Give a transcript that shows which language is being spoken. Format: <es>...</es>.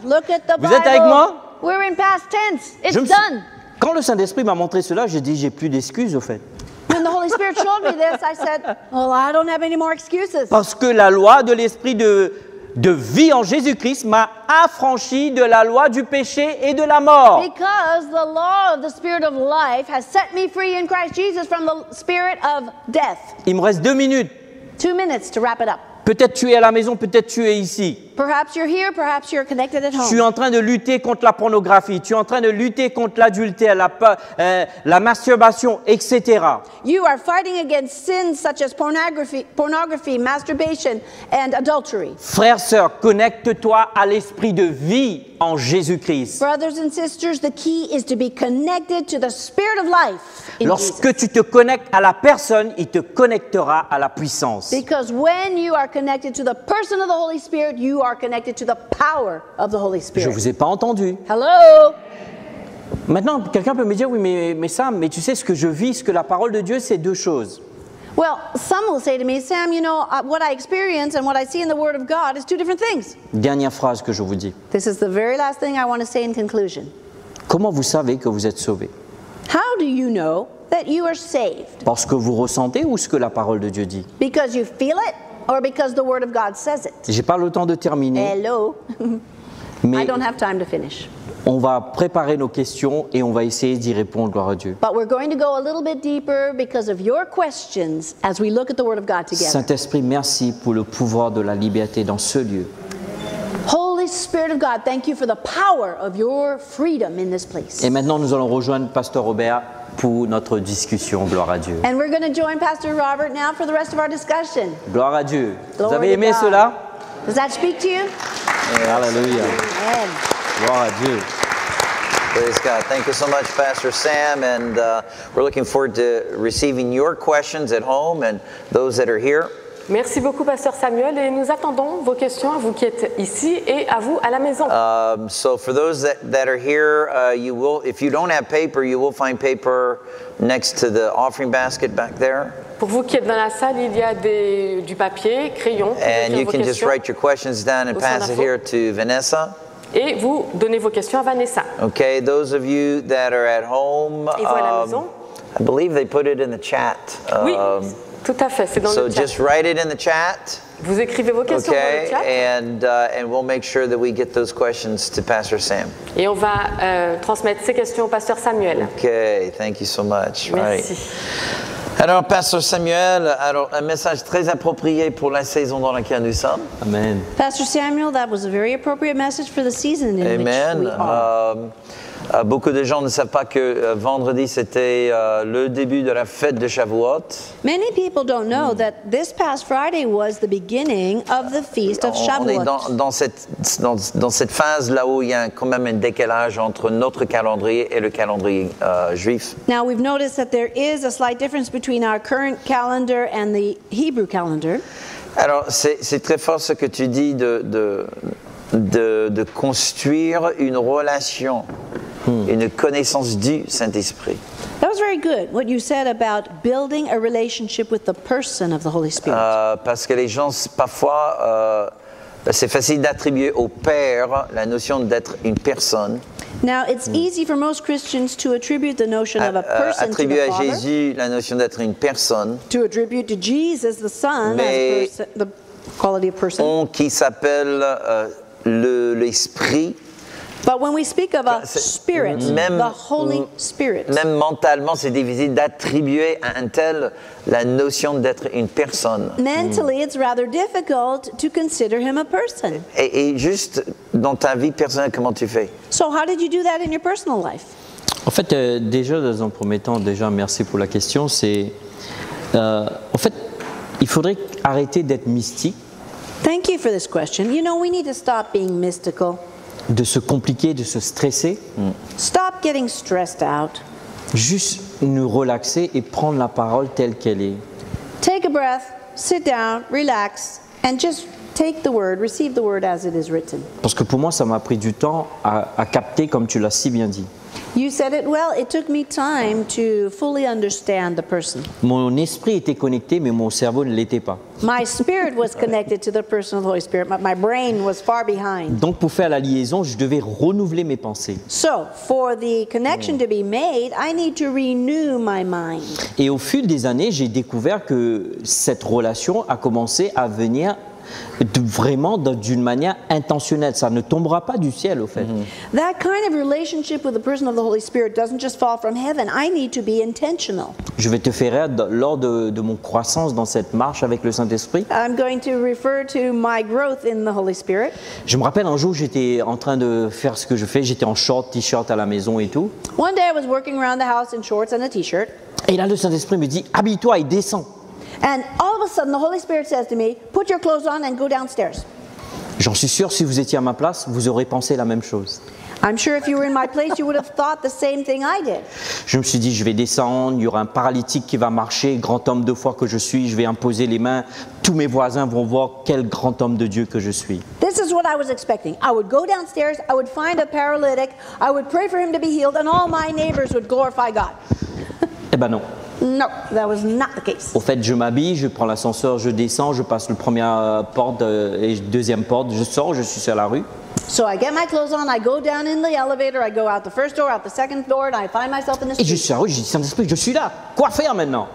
<en>Look at the Bible.</en> <fr>Vous êtes avec moi?</fr> <en>We're in past tense. It's done.</en> <fr>Quand le Saint-Esprit m'a montré cela, j'ai dit j'ai plus d'excuses au fait.</fr> <en>When the Holy Spirit showed me this, I said, well, I don't have any more excuses.</en> <fr>Parce que la loi de l'esprit de vie en Jésus-Christ m'a affranchi de la loi du péché et de la mort.</fr> <en>Because the law of the spirit of life has set me free in Christ Jesus from the spirit of death.</en> <fr>Il me reste 2 minutes.</fr> <en>2 minutes to wrap it up.</en> <fr>Peut-être tu es à la maison, peut-être tu es ici.</fr> <en>Perhaps you're here, perhaps you're connected at home.</en> <fr>Tu es en train de lutter contre la pornographie, tu es en train de lutter contre l'adultère, la masturbation, etc.</fr> <en>You are fighting against sins such as pornography, masturbation and adultery.</en> <fr>Frères, sœurs, connecte-toi à l'esprit de vie en Jésus-Christ.</fr> <en>Brothers and sisters, the key is to be connected to the spirit of life in</en> <fr>Lorsque tu te connectes à la personne, il te connectera à la puissance.</fr> <en>Because when you are connected to the person of the Holy Spirit, you are connected to the power of the Holy Spirit.</en> <fr>Je vous ai pas entendu.</fr> <en>Hello.</en> <fr>Maintenant, quelqu'un peut me dire, oui, mais Sam, mais tu sais, ce que je vis, ce que la parole de Dieu, c'est deux choses.</fr> <en>Well, some will say to me, Sam, you know, what I experience and what I see in the Word of God is two different things.</en> <fr>Dernière phrase que je vous dis.</fr> <en>This is the very last thing I want to say in conclusion.</en> <fr>Comment vous savez que vous êtes sauvé?</fr> <en>How do you know that you are saved?</en> <fr>Parce que vous ressentez ou ce que la parole de Dieu dit?</fr> <en>Because you feel it or because the Word of God says it?</en> <fr>J'ai pas le temps de terminer.</fr> <en>Hello.</en> <fr>Mais</fr> <en>I don't have time to finish.</en> <fr>On va préparer nos questions et on va essayer d'y répondre, gloire à Dieu.</fr> <en>But we're going to go a little bit deeper because of your questions as we look at the Word of God together.</en> <fr>Saint-Esprit, merci pour le pouvoir de la liberté dans ce lieu.</fr> <en>Holy Spirit of God, thank you for the power of your freedom in this place.</en> <fr>Et maintenant, nous allons rejoindre Pasteur Robert pour notre discussion, gloire à Dieu.</fr> <en>And we're going to join Pastor Robert now for the rest of our discussion.</en> <fr>Gloire à Dieu.</fr> <en>Glory</en> <fr>Vous avez aimé</fr> <en>God.</en> <fr>Cela?</fr> <en>Does that speak to you?</en> <fr>Alléluia.</fr> <en>Amen.</en> <fr>Gloire à Dieu.</fr> <en>Praise God. Thank you so much, Pastor Sam. And we're looking forward to receiving your questions at home and those that are here.</en> <fr>Merci beaucoup, Pasteur Samuel. Et nous attendons vos questions à vous qui êtes ici et à vous à la maison.</fr> <en>So for those that are here, you will, if you don't have paper, you will find paper next to the offering basket back there.</en> <fr>Pour vous qui êtes dans la salle, il y a du papier, crayon.</fr> <en>And you can just write your questions down and pass it here to Vanessa.</en> <fr>Et vous donnez vos questions à Vanessa.</fr> <en>Okay, those of you that are at home, I believe they put it in the chat.</en> <fr>Oui, tout à fait, c'est dans</fr> <en>so</en> <fr>le chat.</fr> <en>So just write it in the chat.</en> <fr>Vous écrivez vos questions</fr> <en>okay,</en> <fr>dans le chat.</fr> <en>Okay, and we'll make sure that we get those questions to Pastor Sam.</en> <fr>Et on va transmettre ces questions au Pasteur Samuel.</fr> <en>Okay, thank you so much.</en> <fr>Merci.</fr> <en>Right.</en> <fr>Alors, Pasteur Samuel, alors, un message très approprié pour la saison dans laquelle nous sommes.</fr> <en>Amen. Pastor Samuel, that was a very appropriate message for the season in which we are. Amen.</en> <fr>Beaucoup de gens ne savent pas que vendredi, c'était le début de la fête de Shavuot.</fr> <en>Many people don't know that this past Friday was the beginning of the feast of Shavuot.</en> <fr>On est dans cette phase là où il y a quand même un décalage entre notre calendrier et le calendrier juif.</fr> <en>Now we've noticed that there is a slight difference between our current calendar and the Hebrew calendar.</en> <fr>Alors, c'est très fort ce que tu dis de construire une relation, une connaissance du Saint-Esprit.</fr> <en>That was very good, what you said about building a relationship with the person of the Holy Spirit.</en> <fr>Parce que les gens, parfois, c'est facile d'attribuer au Père la notion d'être une personne.</fr> <en>Now, it's easy for most Christians to attribute the notion of a person to the Father.</en> <fr>Attribuer à Jésus la notion d'être une personne.</fr> <en>To attribute to Jesus the Son as the quality of person.</en> <fr>On qui s'appelle... l'esprit.</fr> <en>But when we speak of a spirit, même, the Holy Spirit.</en> <fr>Même mentalement, c'est difficile d'attribuer à un tel la notion d'être une personne.</fr> <en>Mentally, it's rather difficult to consider him a person.</en> <fr>Et juste dans ta vie personnelle, comment tu fais?</fr> <en>So how did you do that in your personal life?</en> <fr>En fait, déjà, dans un premier temps, déjà, merci pour la question. C'est, en fait, il faudrait arrêter d'être mystique.</fr> <en>Thank you for this question. You know, we need to stop being mystical.</en> <fr>De se compliquer, de se stresser.</fr> <en>Stop getting stressed out.</en> <fr>Juste nous relaxer et prendre la parole telle qu'elle est.</fr> <en>Take a breath, sit down, relax, and just take the word, receive the word as it is written.</en> <fr>Parce que pour moi, ça m'a pris du temps à capter, comme tu l'as si bien dit.</fr> <en>You said it well. It took me time to fully understand the person.</en> <fr>Mon esprit était connecté, mais mon cerveau ne l'était pas.</fr> <en>My spirit was connected to the person of the Holy Spirit, but my brain was far behind.</en> <fr>Donc, pour faire la liaison, je devais renouveler mes pensées.</fr> <en>So, for the connection to be made, I need to renew my mind.</en> <fr>Et au fil des années, j'ai découvert que cette relation a commencé à venir vraiment d'une manière intentionnelle. Ça ne tombera pas du ciel, au fait.</fr> <en>That kind of relationship with the person of the Holy Spirit doesn't just fall from heaven. I need to be intentional.</en> <fr>Je vais te faire rire lors de mon croissance dans cette marche avec le Saint-Esprit.</fr> <en>I'm going to refer to my growth in the Holy Spirit.</en> <fr>Je me rappelle un jour, j'étais en train de faire ce que je fais. J'étais en short, t-shirt à la maison et tout.</fr> <en>One day I was working around the house in shorts and a t-shirt.</en> <fr>Et là, le Saint-Esprit me dit, habille-toi et descends.</fr> <en>And all of a sudden, the Holy Spirit says to me, put your clothes on and go downstairs.</en> <fr>J'en suis sûr, si vous étiez à ma place, vous auriez pensé la même chose.</fr> <en>I'm sure if you were in my place, you would have thought the same thing I did.</en> <fr>Je me suis dit, je vais descendre, il y aura un paralytique qui va marcher, grand homme de foi que je suis, je vais imposer les mains, tous mes voisins vont voir quel grand homme de Dieu que je suis.</fr> <en>This is what I was expecting. I would go downstairs, I would find a paralytic, I would pray for him to be healed, and all my neighbors would glorify God.</en> <fr>Eh ben non.</fr> <en>No, that was not the case.</en> <fr>Au fait, je m'habille, je prends l'ascenseur, je descends, je passe la première porte et deuxième porte, je sors, je suis sur la rue.</fr> <en>So I get my clothes on, I go down in the elevator, I go out the first door, out the second door, and I find myself in the street.</en> <fr>Et je suis sur la rue, je dis, Saint-Esprit, je suis là, quoi faire maintenant?</fr>